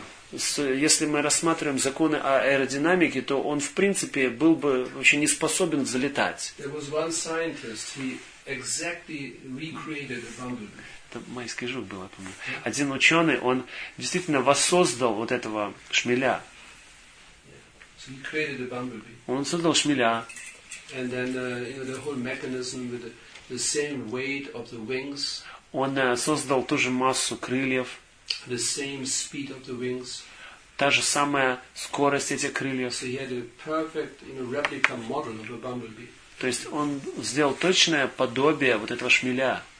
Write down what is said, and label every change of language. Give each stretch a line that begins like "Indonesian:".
Russian: Если мы рассматриваем законы о аэродинамике, то он в принципе был бы вообще не способен взлетать.
English: There was one scientist. He exactly recreated a bumblebee.
Russian: Это майский жук был, по-моему. Один ученый, он действительно воссоздал вот этого шмеля.
English: So he created a bumblebee.
Russian: Он создал шмеля.
English: And then the whole mechanism with the same weight of the wings.
Russian: Он создал ту же массу крыльев.
English: The same speed of the wings.
Russian: Та же самая скорость этих крыльев.
English: So he had a perfect, replica model of a bumblebee.
Russian: То есть он сделал точное подобие вот этого шмеля.